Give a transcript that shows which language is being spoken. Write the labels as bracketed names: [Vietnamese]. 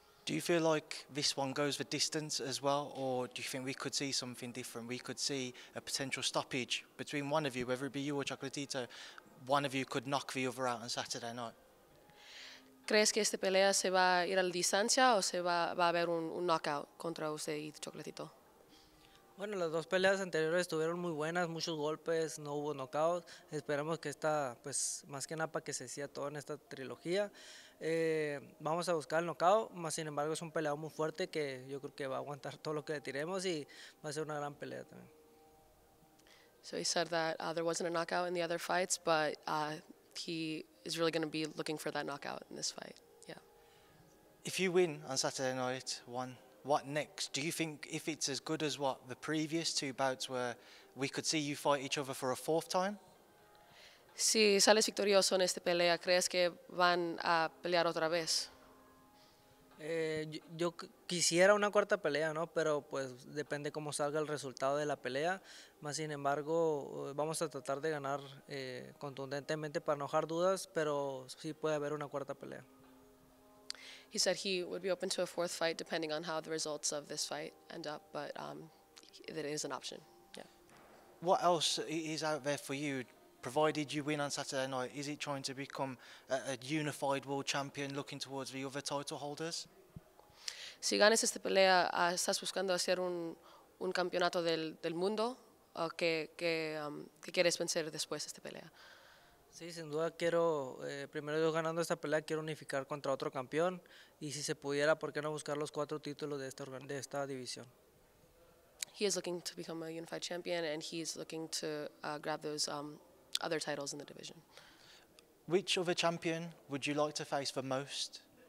[English] Do you feel like this one goes the distance as well, or do you think we could see something different? We could see a potential stoppage between one of you, whether it be you or Chocolatito, one of you could knock the other out on Saturday night. [Spanish] ¿Crees que esta pelea se va a ir a la distancia o se va a haber un knockout contra usted y Chocolatito? Bueno, las dos peleas anteriores estuvieron muy buenas, muchos golpes, no hubo knockout. Esperamos que esta, pues, más que nada para que se sea todo en esta trilogía. Vamos a buscar el knockout, más sin embargo es un peleado muy fuerte que yo creo que va a aguantar todo lo que le tiremos y va a ser una gran pelea también. [English] So he said that there wasn't a knockout in the other fights, but he is really going to be looking for that knockout in this fight. Yeah. If you win on Saturday night, Juan, what next? Do you think if it's as good as what the previous two bouts were, we could see you fight each other for a fourth time? [Spanish] Si sales victorioso en esta pelea, ¿crees que van a pelear otra vez? Yo quisiera una cuarta pelea, ¿no? Pero pues depende cómo salga el resultado de la pelea. Más sin embargo, vamos a tratar de ganar contundentemente para no dejar dudas, pero sí puede haber una cuarta pelea. [English] He said he would be open to a fourth fight depending on how the results of this fight end up, but that it is an option. Yeah. What else is out there for you, provided you win on Saturday night? Is it trying to become a unified world champion looking towards the other title holders? [Spanish] Si ganas esta pelea, estás buscando hacer un campeonato del mundo, ¿qué quieres vencer después de esta pelea? Sí, sin duda quiero, primero yo ganando esta pelea, quiero unificar contra otro campeón. Y si se pudiera, ¿por qué no buscar los cuatro títulos de esta división? [English] He is looking to become a unified champion and he is looking to grab those other titles in the division. Which other champion would you like to face the most?